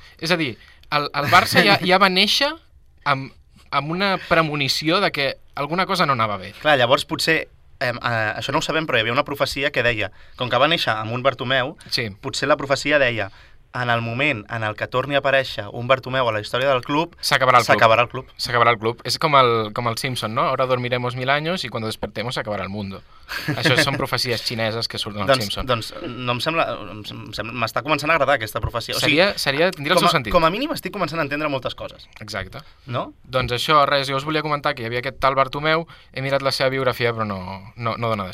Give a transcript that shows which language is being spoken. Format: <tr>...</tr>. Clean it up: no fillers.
<ca>És a dir, el Barça ja va néixer amb una premonició de que alguna cosa no anava bé. Clar, llavors potser, això no ho sabem, però hi havia una profecia que deia, com que va néixer amb un Bartomeu, sí, potser la profecia deia, en el moment en el que torni a aparèixer un Bartomeu a la història del club, s'acabarà el club. És com el Simpson, no?</ca> <es>Ahora dormiremos mil años y cuando despertemos acabará el mundo.</es> <ca>Això són profecies xineses que surten al doncs, Simpson. Doncs no em sembla, m'està començant a agradar aquesta profecia. Seria, tindria el seu sentit. Com a mínim estic començant a entendre moltes coses. Exacte. No? Doncs això, res, jo us volia comentar que hi havia aquest tal Bartomeu, he mirat la seva biografia però no dona de</ca>